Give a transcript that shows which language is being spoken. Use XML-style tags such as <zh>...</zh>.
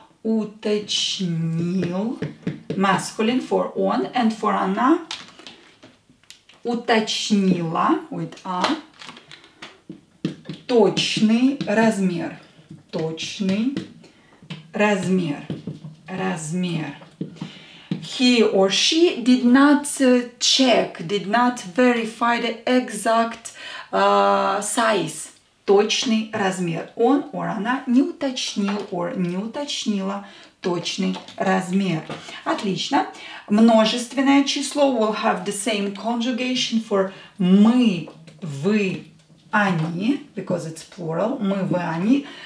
<en>Masculine for</en> <ru>он</ru> <en>and for</en> <ru>она. Уточнила</ru> <en>with a</en> <ru>точный размер. Точный размер. Размер.</ru> <en>He or she did not check, did not verify the exact size.</en> <ru>Точный размер. Он</ru> <en>or</en> <ru>она не уточнил or не уточнила точный размер. Отлично. Множественное число</ru> <en>will have the same conjugation for</en> <ru>мы, вы, они,</ru> <en>because it's plural.</en> <ru>Мы, вы, они.</ru>